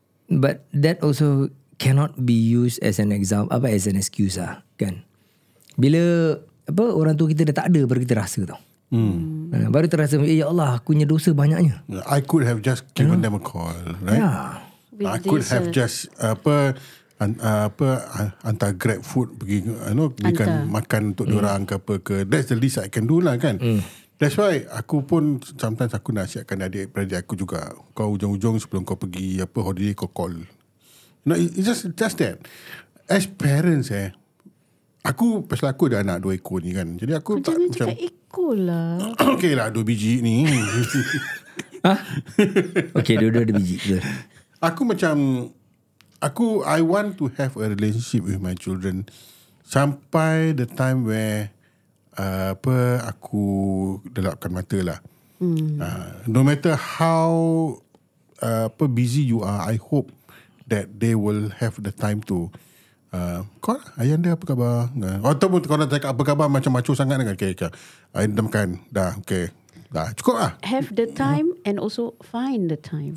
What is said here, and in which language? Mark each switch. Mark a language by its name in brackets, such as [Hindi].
[English] But that also cannot be used as an example, [Malay] apa, [English] as an excuse lah, kan. [Malay] Bila apa orang tua kita dah tak ada, baru kita rasa tau. Baru terasa, eh, ya Allah, aku punya dosa banyaknya. [English] I could have just given them a call, right? Yeah. I could have just [Malay] apa hantar grab food pergi, berikan makan untuk diorang ke apa ke. [English] That's the least I can do lah, kan. That's why [Malay] aku pun [English] sometimes [Malay] aku nasihatkan adik-beradik aku juga. Kau ujung-ujung sebelum kau pergi apa holiday kau call. [English] No, it's just that. As parents [Malay] eh. Aku, pasal aku ada anak dua ekor ni kan. Jadi aku kau tak macam. Kau jangan cakap ekor lah. Okay lah, dua biji ni. Okay, dua-dua ada biji. Aku macam. Aku, [English] I want to have a relationship with my children. [Malay] Sampai [English] the time where. [Malay] Apa aku delapkan mata lah. [English] No matter how [Malay] apa [English] busy you are, I hope that they will have the time to call [Malay] ayah anda apa khabar. Ataupun kau nak cakap apa khabar macam macam sangat kan. Okay. Ayah makan. Dah okay. Dah cukup lah. [English] Have the time and also find the time.